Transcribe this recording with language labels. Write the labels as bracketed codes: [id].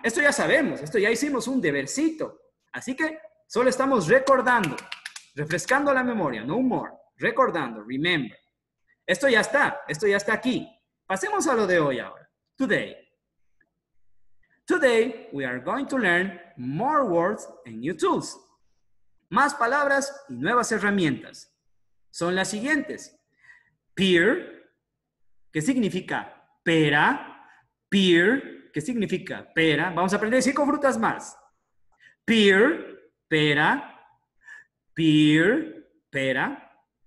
[es] Esto ya sabemos, esto ya hicimos un debercito. Así que solo estamos recordando, refrescando la memoria, [en] no more, [es] recordando, remember. Esto ya está aquí. Pasemos a lo de hoy ahora. [en] Today. Today, we are going to learn more words and new tools. [es] Más palabras y nuevas herramientas. Son las siguientes. Peer, que significa pera, pear, ¿qué significa pera? Vamos a aprender 5 frutas más. Pear, pera, pear, pera.